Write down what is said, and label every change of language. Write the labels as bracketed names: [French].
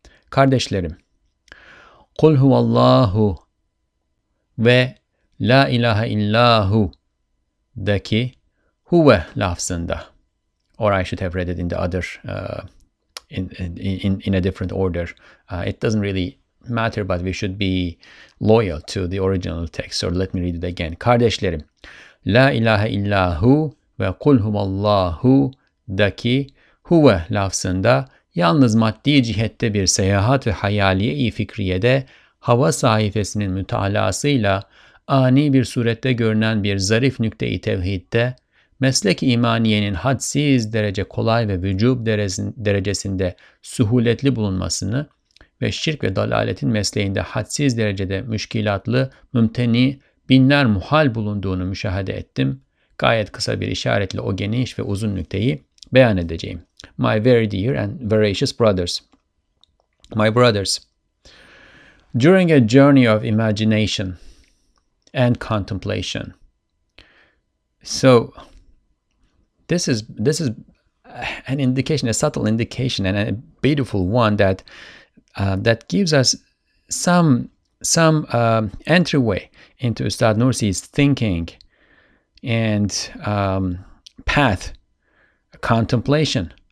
[Turkish] Kardeşlerim, [Arabic] kul huvallahu [Turkish] ve [Arabic] la ilahe illahu [Turkish] deki huve lafzında. [English] Or I should have read it in the other, in a different order. It doesn't really matter, but we should be loyal to the original text. So let me read it again. [Turkish] Kardeşlerim, [Arabic] la ilahe illahu [Turkish] ve [Arabic] kul huvallahu [Turkish] deki huve lafzında yalnız maddi cihette bir seyahat ve hayaliye-i fikriyede hava sahifesinin mütalasıyla ani bir surette görünen bir zarif nükte-i tevhidde meslek-i imaniyenin hadsiz derece kolay ve vücub derecesinde suhuletli bulunmasını ve şirk ve dalaletin mesleğinde hadsiz derecede müşkilatlı, mümteni, binler muhal bulunduğunu müşahede ettim. Gayet kısa bir işaretle o geniş ve uzun nükteyi beyan edeceğim. [English] My very dear and veracious brothers. My brothers, during a journey of imagination and contemplation. So this is an indication, a subtle indication, and a beautiful one that that gives us some entryway into Ustad Nursi's thinking and path, contemplation.